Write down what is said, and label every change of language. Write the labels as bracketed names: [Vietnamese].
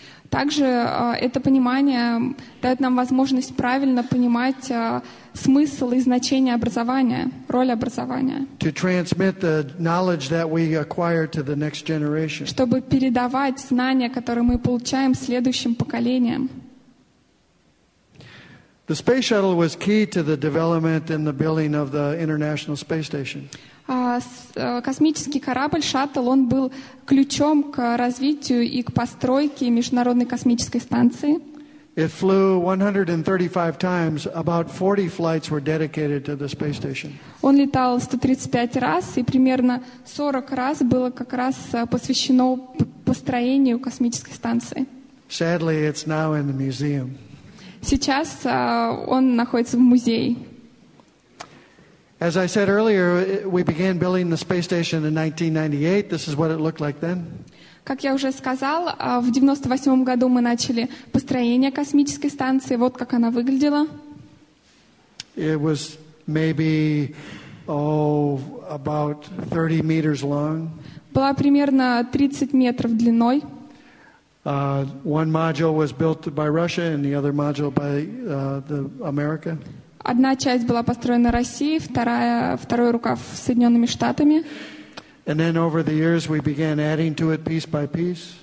[Russian] Также это понимание дает нам возможность правильно понимать смысл и значение образования, роль образования. [English] To transmit the knowledge that we acquire to the next generation. [Russian] Чтобы передавать знания, которые мы получаем следующим поколениям. [English] The space shuttle was key to the development and the building of the International Space Station. [Russian] Космический корабль «Шаттл», он был ключом к развитию и к постройке Международной космической станции. [English] It flew 135 times, about 40 flights were dedicated to the space station. [Russian] Он летал 135 раз, и примерно 40 раз было как раз посвящено построению космической станции. [English] Sadly, it's now in the museum. [Russian] Сейчас он находится в музее. [English] As I said earlier, we began building the space station in 1998. This is what it looked like then. [Russian] Как я уже сказал, в 98 году мы начали построение космической станции. Вот как она выглядела. [English] It was maybe about 30 meters long. [Russian] Была примерно 30 метров длиной. [English] One module was built by Russia and the other module by the America. [Russian] Одна часть была построена Россией, второй рукав Соединенными Штатами. [English] And then over the years we began adding to it piece by piece.